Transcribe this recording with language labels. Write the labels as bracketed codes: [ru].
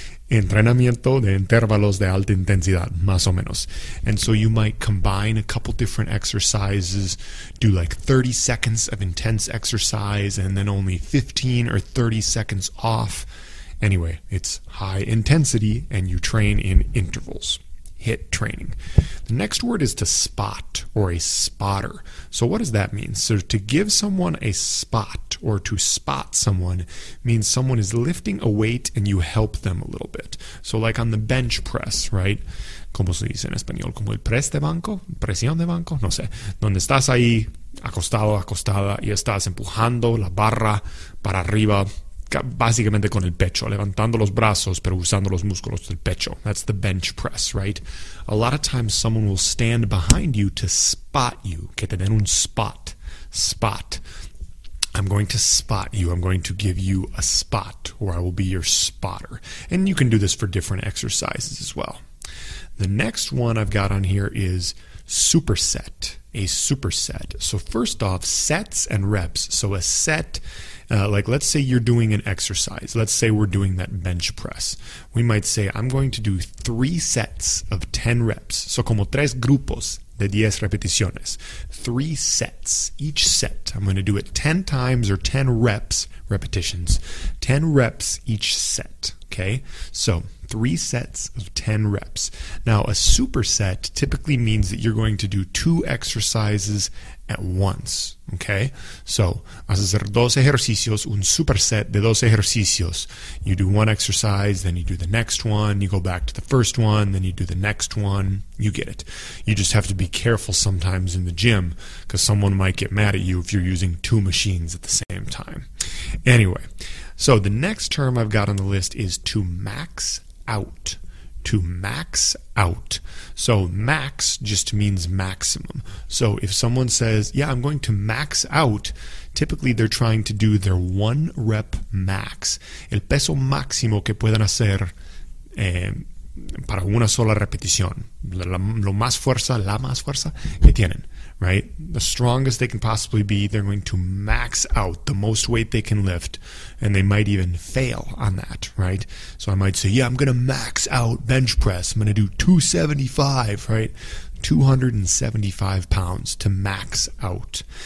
[es] Entrenamiento de intervalos de alta intensidad, más o menos. [en] And so you might combine a couple different exercises, do like 30 seconds of intense exercise, and then only 15 or 30 seconds off. Anyway, it's high intensity, and you train in intervals. HIIT training. The next word is to spot, or a spotter. So what does that mean? So to give someone a spot, or to spot someone, means someone is lifting a weight and you help them a little bit. So like on the bench press, right? [es] ¿Cómo se dice en español? ¿Como el press de banco? ¿Presión de banco? No sé. Donde estás ahí, acostado, acostada, y estás empujando la barra para arriba, básicamente con el pecho, levantando los brazos, pero usando los músculos del pecho. [en] That's the bench press, right? A lot of times someone will stand behind you to spot you. [es] Que te den un spot. [en] Spot. I'm going to spot you. I'm going to give you a spot, or I will be your spotter. And you can do this for different exercises as well. The next one I've got on here is superset. A superset. So first off, sets and reps. So a set... like, let's say you're doing an exercise. Let's say we're doing that bench press. We might say, I'm going to do 3 sets of 10 reps. So [es] como tres grupos de 10 repeticiones. [en] 3 sets, each set. I'm going to do it 10 times or 10 reps, repetitions. 10 reps each set, okay? So 3 sets of 10 reps. Now, a superset typically means that you're going to do 2 exercises at once, okay? [es] So, vas a hacer dos ejercicios, un superset de dos ejercicios. [en] You do one exercise, then you do the next one, you go back to the first one, then you do the next one, you get it. You just have to be careful sometimes in the gym, because someone might get mad at you if you're using 2 machines at the same time. Anyway, so the next term I've got on the list is to max out. To max out. So max just means maximum. So if someone says, yeah, I'm going to max out, typically they're trying to do their 1 rep max. [es] El peso máximo que pueden hacer para una sola repetición. La más fuerza que tienen, [en] right? The strongest they can possibly be, they're going to max out the most weight they can lift, and they might even fail on that, right? So I might say, yeah, I'm going to max out bench press. I'm going to do 275, right? 275 pounds to max out.